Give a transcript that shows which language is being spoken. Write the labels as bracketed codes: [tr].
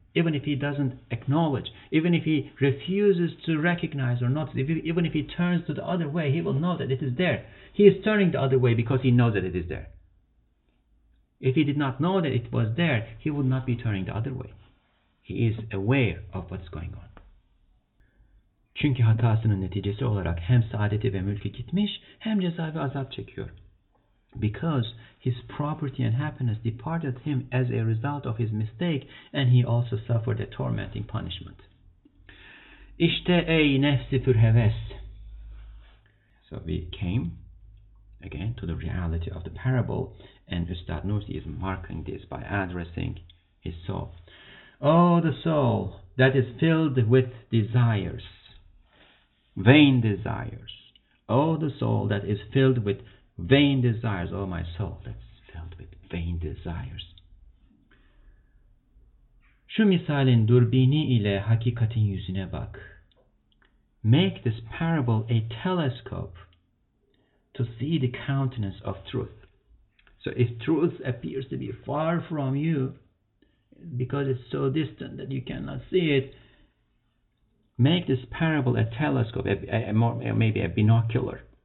[en] Even if he doesn't acknowledge, even if he refuses to recognize or not, even if he turns to the other way, he will know that it is there. He is turning the other way because he knows that it is there. If he did not know that it was there, he would not be turning the other way. He is aware of what's going on. [tr] Çünkü hatasının neticesi olarak hem saadeti ve mülkü gitmiş, hem ceza ve azap çekiyor. [en] Because his property and happiness departed him as a result of his mistake, and he also suffered a tormenting punishment. [tr] İşte ey nefsi pürheves. [en] So we came again to the reality of the parable, and Üstad Nursi is marking this by addressing his soul. Oh, the soul that is filled with desires, vain desires. Oh, the soul that is filled with vain desires, oh my soul, that's filled with vain desires. [tr] Şu misalin durbini ile hakikatin yüzüne bak. [en] Make this parable a telescope to see the countenance of truth. So if truth appears to be far from you, because it's so distant that you cannot see it, make this parable a telescope, maybe a binocular.